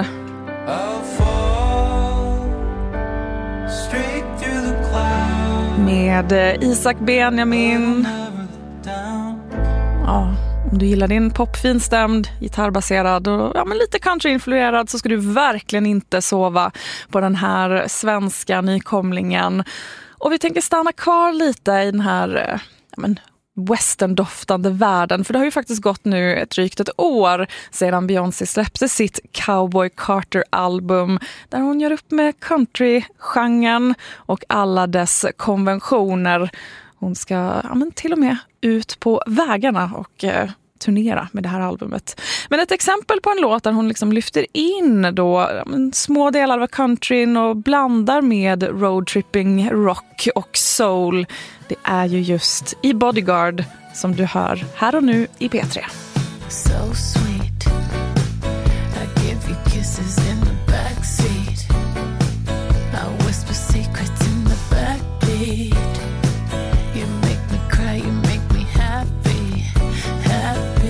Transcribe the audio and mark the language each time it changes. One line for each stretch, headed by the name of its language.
English: I'll fall straight through the clouds.
Swedish: Med Isak Benjamin. Ja, om du gillar din popfinstämd, gitarrbaserad och ja, men lite country-influerad, så ska du verkligen inte sova på den här svenska nykomlingen. Och vi tänker stanna kvar lite i den här ja, men western-doftande världen, för det har ju faktiskt gått nu ett drygt ett år sedan Beyoncé släppte sitt Cowboy Carter-album, där hon gör upp med country-genren och alla dess konventioner. Hon ska ja, men till och med ut på vägarna och turnera med det här albumet. Men ett exempel på en låt där hon liksom lyfter in då små delar av countryn och blandar med roadtripping, rock och soul, det är ju just i Bodyguard som du hör här och nu i P3.
English: So sweet, I give you kisses in the backseat. I whisper secrets in the backbeat. You make me cry, you make me happy, happy.